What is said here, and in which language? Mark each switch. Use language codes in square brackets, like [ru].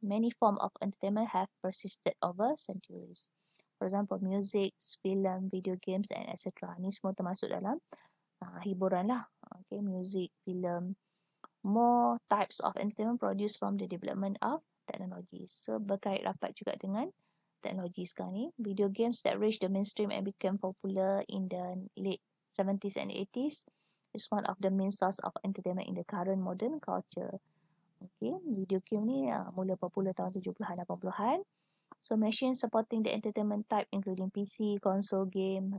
[en] Many forms of entertainment have persisted over centuries. For example, music, film, video games and etc. [ms] Ni semua termasuk dalam hiburan lah. [en] Okay, music, film. More types of entertainment produced from the development of technology. [ms] So, berkait rapat juga dengan teknologi sekarang ni. [en] Video games that reached the mainstream and became popular in the late 70s and 80s is one of the main source of entertainment in the current modern culture. [ms] Okay, video game ni mula popular tahun 70s-80s. [en] So, machine supporting the entertainment type including PC, console game.